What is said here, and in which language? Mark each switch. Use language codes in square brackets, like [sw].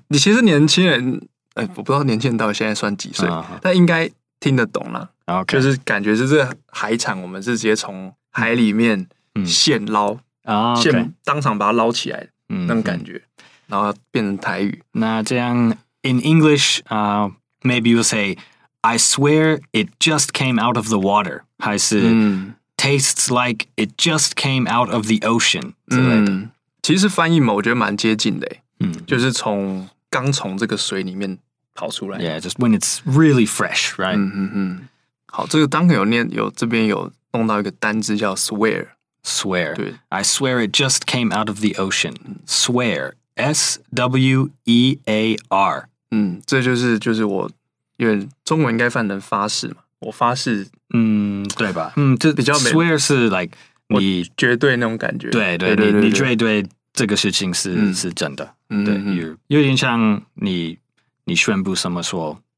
[zh] 你其实年轻人，哎，我不知道年轻人到底现在算几岁，但应该听得懂了。 [en] Okay. [zh] 就是感觉是这海产，我们是直接从海里面现捞啊，现、 [en] okay. [zh] 当场把它捞起来，那种感觉，然后变成台语。那这样 ， [en] in English, maybe you say. I swear it just came out of the water. [zh] 还是、 [en] tastes like it just came out of the ocean. [zh] 其实翻译嘛，我觉得蛮接近的、就是从刚从这个水里面跑出来。 [en] Yeah, just when it's really fresh, right? [zh] 好，这个Duncan有念，有这边有弄到一个单字叫 swear. [en] Swear. [zh] 对 [en] I swear it just came out of the ocean. Swear. S-W-E-A-R. [zh] 这就是我因为中文应该翻成发誓嘛，我发誓，对吧？就比较 [en] swear [zh] 是 [en] like [zh] 我绝对那种感觉，对，你绝对这个事情是真的，对，有点像你宣布什么说，